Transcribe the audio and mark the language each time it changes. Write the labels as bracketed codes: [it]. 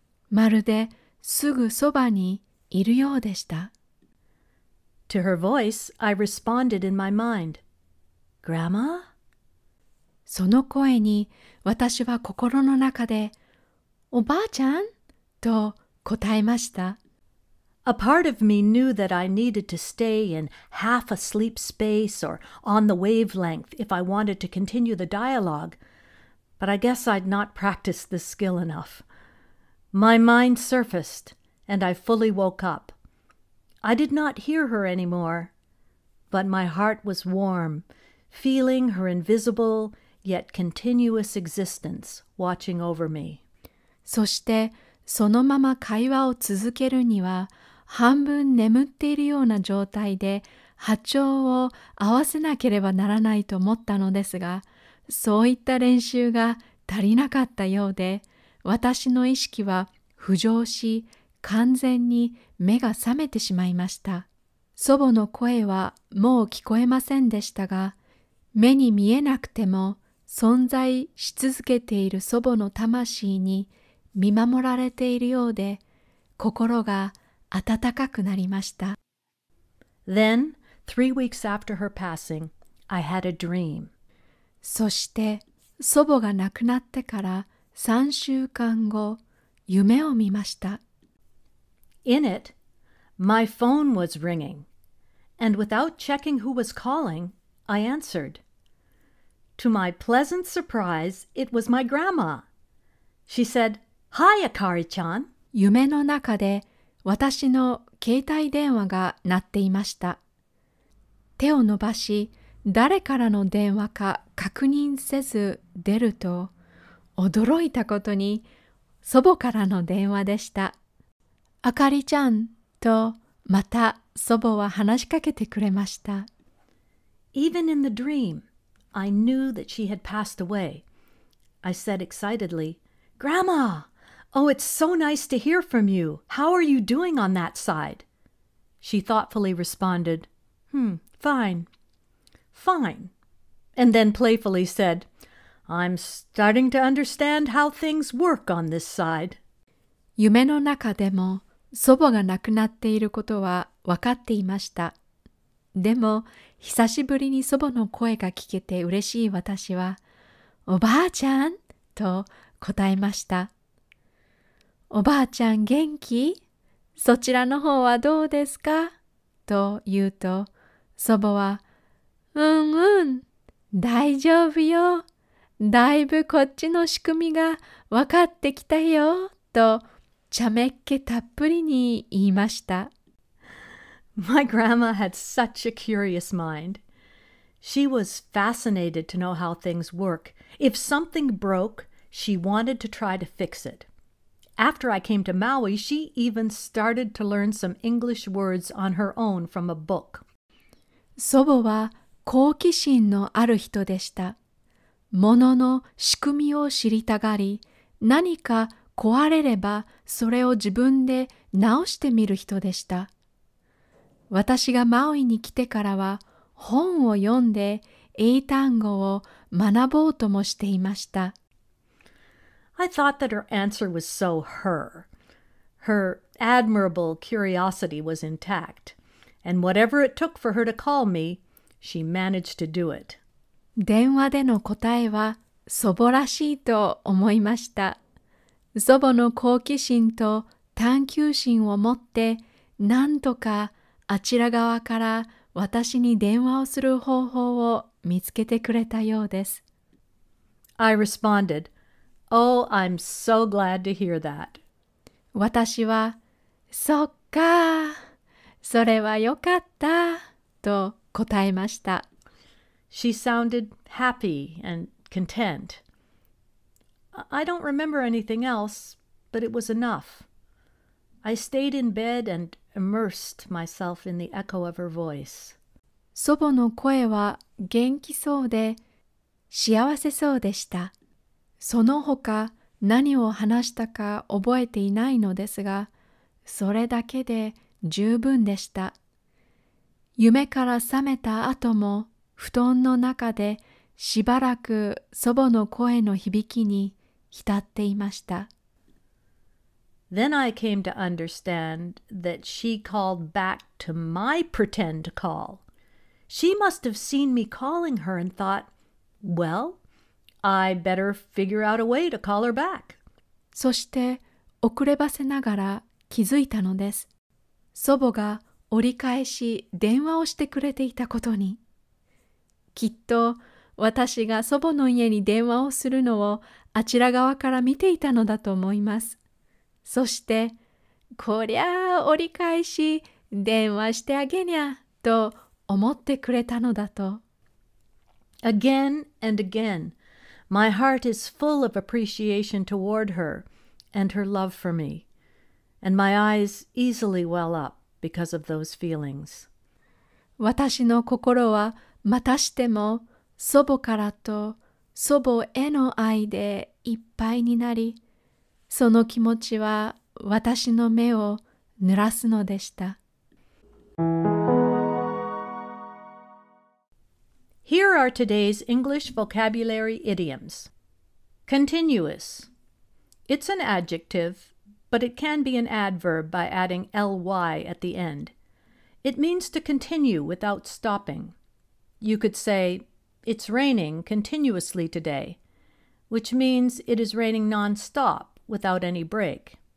[ja] まるですぐそばにいるようでした。 [en] To her voice, I responded in my mind, "Grandma?" [ja] その声に私は心の中で、おばあちゃんと答えました。 [en] A part of me knew that I needed to stay in half a sleep space or on the wavelength if I wanted to continue the dialogue, but I guess I'd not practiced this skill enough. My mind surfaced, and I fully woke up. I did not hear her anymore, but my heart was warm, feeling her invisible yet continuous existence watching over me. [ja] そしてそのまま会話を続けるには半分眠っているような状態で波長を合わせなければならないと思ったのですが、そういった練習が足りなかったようで、私の意識は浮上し、完全に目が覚めてしまいました。祖母の声はもう聞こえませんでしたが、目に見えなくても存在し続けている祖母の魂に見守られているようで、心が温かくなりました。 [en] Then, 3 weeks after her passing, I had a dream. [ja] そして、祖母が亡くなってから3週間後、夢を見ました。 [en] In it, my phone was ringing, and without checking who was calling, I answered. To my pleasant surprise, it was my grandma. She said, Hi, Akari-chan. [ja] 夢の中で私の携帯電話が鳴っていました。手を伸ばし、誰からの電話か確認せず出ると、驚いたことに祖母からの電話でした。あかりちゃんとまた祖母は話しかけてくれました。 [en] Even in the dream, I knew that she had passed away. I said excitedly, Grandma! Oh, it's so nice to hear from you. How are you doing on that side? She thoughtfully responded, fine. Fine. And then playfully said, I'm starting to understand how things work on this side. [ja] 夢の中でも祖母が亡くなっていることは分かっていました。でも、久しぶりに祖母の声が聞けて嬉しい私は、おばあちゃんと答えました。おばあちゃん元気？そちらの方はどうですか？と言うと、祖母は、うんうん、大丈夫よ。だいぶこっちの仕組みが分かってきたよ。と、茶目っ気たっぷりに言いました。 [en] My grandma had such a curious mind. She was fascinated to know how things work. If something broke, she wanted to try to fix it. After I came to Maui, she even started to learn some English words on her own from a book. [ja] 祖母は好奇心のある人でした。ものの仕組みを知りたがり、何か壊れればそれを自分で直してみる人でした。私がマウイに来てからは本を読んで英単語を学ぼうともしていました。 [en] I thought that her answer was so her. Her admirable curiosity was intact. And whatever it took for her to call me, she managed to do it. [ja] 電話での答えは祖母らしいと思いました。祖母の好奇心と探求心を持って、なんとかあちら側から私に電話をする方法を見つけてくれたようです。 [en] I responded, Oh, I'm so glad to hear that. [ja] 私は、そっか、それはよかった、と答えました。 [en] She sounded happy and content. I don't remember anything else, but it was enough. I stayed in bed and immersed myself in the echo of her voice. [ja] 祖母の声は元気そうで幸せそうでした。その他何を話したか覚えていないのですが、それだけで十分でした。夢から覚めた後も布団の中でしばらく祖母の声の響きに浸っていました。 [en] Then I came to understand that she called back to my pretend call. She must have seen me calling her and thought, well, I better figure out a way to call her back. [ja] そして、遅ればせながら気づいたのです。祖母が折り返し電話をしてくれていたことに。きっと、私が祖母の家に電話をするのをあちら側から見ていたのだと思います。そして、こりゃあ折り返し、電話してあげにゃ、と思ってくれたのだと。 [en] Again and again, my heart is full of appreciation toward her and her love for me, and my eyes easily well up because of those feelings. [ja] 私の心はまたしても祖母からと祖母への愛でいっぱいになり、その気持ちは私の目を濡らすのでした。 [en] Here are today's English vocabulary idioms. Continuous. It's an adjective, but it can be an adverb by adding ly at the end. It means to continue without stopping. You could say, it's raining continuously today, which means it is raining nonstop without any break.